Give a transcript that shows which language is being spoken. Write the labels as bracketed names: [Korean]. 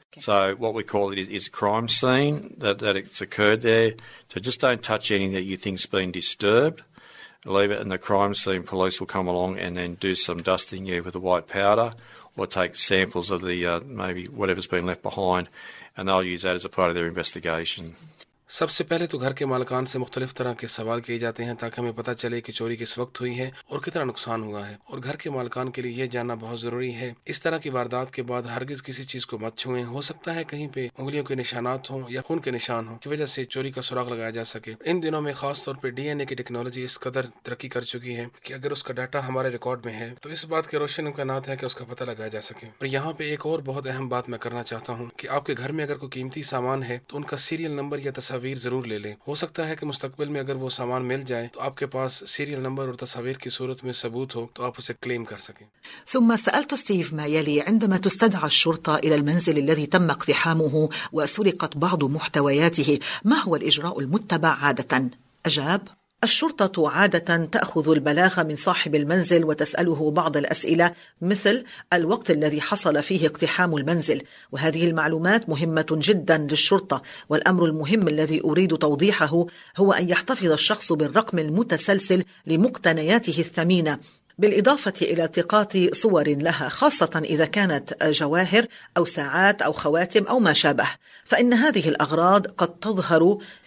[English] So what we call it is a crime scene that it's occurred there. So just don't touch anything that you think's been disturbed. Leave it in the crime scene. Police will come along and then do some dusting you with a white powder or take samples of the maybe whatever's been left behind, and they'll use that as a part of their investigation. [Urdu] سب سے پہلے تو گھر کے مالکان سے مختلف طرح کے سوال کیے جاتے ہیں تاکہ ہمیں پتہ چلے کہ چوری کس وقت ہوئی ہے اور کتنا نقصان ہوا ہے، اور گھر کے مالکان کے لیے یہ جاننا بہت ضروری ہے۔ اس طرح کی واردات کے بعد ہرگز کسی چیز کو مت چھوئیں، ہو سکتا ہے کہیں پہ انگلیوں کے نشانات ہوں یا خون کے نشان ہوں کی وجہ سے چوری کا سراغ لگایا جا سکے۔ ان دنوں میں خاص طور پہ ڈی این اے کی ٹیکنالوجی اس قدر ترقی کر چکی ہے کہ اگر اس کا ڈیٹا ہمارے ریکارڈ میں ہے تو اس بات کے روشن امکانات ہیں کہ اس کا پتہ لگایا جا سکے۔ اور یہاں پہ ایک اور بہت اہم بات میں کرنا چاہتا ہوں کہ آپ کے گھر میں اگر کوئی قیمتی سامان ہے تو ان کا سیریل نمبر یا تصاویر ضرور لے لیں۔ ہو سکتا ہے کہ مستقبل میں اگر وہ سامان مل جائے تو آپ کے پاس سیریل نمبر اور تصاویر کی صورت میں ثبوت ہو تو آپ اسے کلیم کر سکیں۔ [Arabic] ثم سألت ستيف ما يلي عندما تستدعى الشرطة إلى المنزل الذي تم اقتحامه وسرقت بعض محتوياته، ما هو الإجراء المتبع عادة؟ أجاب: الشرطة عادة تأخذ البلاغ من صاحب المنزل وتسأله بعض الأسئلة مثل الوقت الذي حصل فيه اقتحام المنزل، وهذه المعلومات مهمة جدا للشرطة، والأمر المهم الذي أريد توضيحه هو أن يحتفظ الشخص بالرقم المتسلسل لمقتنياته الثمينة، بالإضافة إلى التقاط صور لها خاصة إذا كانت جواهر أو ساعات أو خواتم أو ما شابه، فإن هذه الأغراض قد تظهر